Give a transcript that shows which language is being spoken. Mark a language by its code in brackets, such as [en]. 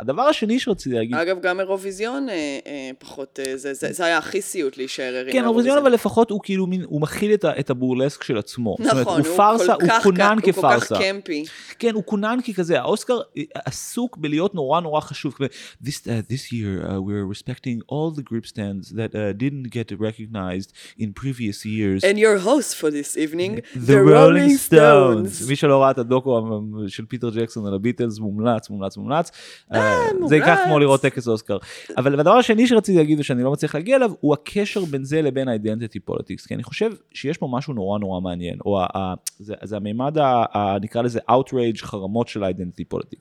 [he] הדבר השני שרציתי להגיד, אגב, גם אירוויזיון פחות, זה היה הכי סיוט להישאר הרי. כן, אירוויזיון, אבל לפחות הוא כאילו מין, הוא מכיל את הבורלסק של עצמו. נכון, זאת אומרת, הוא פרסה, הוא כונן כפרסה. הוא כל כך קמפי. כן, הוא כונן כי כזה, האוסקר עסוק בלהיות נורא נורא חשוב. [en] This year we're respecting all the group stands that didn't get recognized in previous years. And your host for this evening, the Rolling Stones. [he] מי שלא ראה את הדוקו של פיטר ג'קסון על הביטלס, מומלץ, מומלץ, מומלץ. זה כך כמו לראות טקס אוסקר. אבל הדבר השני שרציתי להגיד ושאני לא מצליח להגיע אליו, הוא הקשר בין זה לבין identity politics. כי אני חושב שיש פה משהו נורא נורא מעניין. או זה המימד, נקרא לזה outrage, חרמות של identity politics.